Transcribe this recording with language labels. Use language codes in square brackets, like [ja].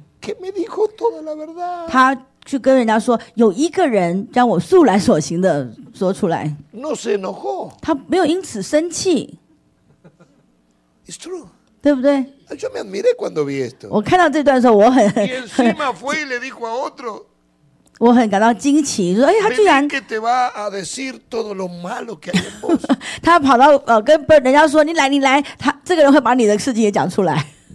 [es] Que me dijo toda la verdad. [zh] 他去跟人家说，有一个人将我素来所行的说出来。 [es] No se enojó. [zh] 他没有因此生气。 [en] It's true. [zh] 对不对？ [es] Yo me admiré cuando vi esto. [zh] 我看到这段的时候，我很。 [es] Y encima fue y le dijo a otro. [zh] 我很感到惊奇，说：“哎，他居然。” [es] Que te va a decir todo lo malo que hay en vos. [zh] 他跑到跟人家说：“你来，你来。” 他这个人会把你的事情也讲出来。